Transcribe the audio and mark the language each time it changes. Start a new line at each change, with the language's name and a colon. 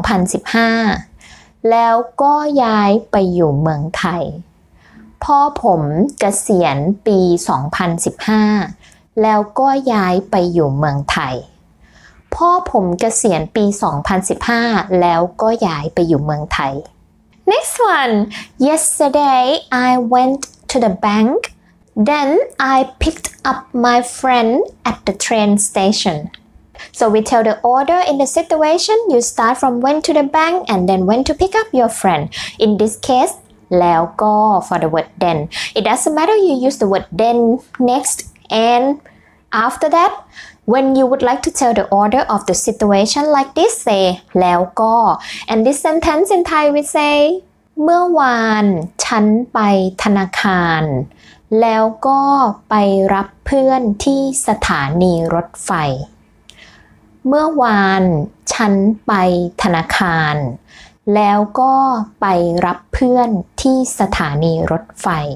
Thai: 2015แล้วก็ย้ายไปอยู่เมืองไทยพ่อผมเกษียณปี2015แล้วก็ย้ายไปอยู่เมืองไทยพ่อผมเกษียณปี2015แล้วก็ย้ายไปอยู่เมืองไทย
English: Next one. Yesterday, I went to the bank. Then I picked up my friend at the train station. So we tell the order in the situation. You start from went to the bank and then went to pick up your friend. In this case, แล้วก็ for the word then. It doesn't matter. You use the word then next and after that. When you would like to tell the order of the situation like this, say แล้วก็ And this sentence in Thai we say
Thai: เมื่อวานฉันไปธนาคารแล้วก็ไปรับเพื่อนที่สถานีรถไฟ
English: เมื่อวานฉันไปธนาคารแล้วก็ไปรับเพื่อนที่สถานีรถไฟ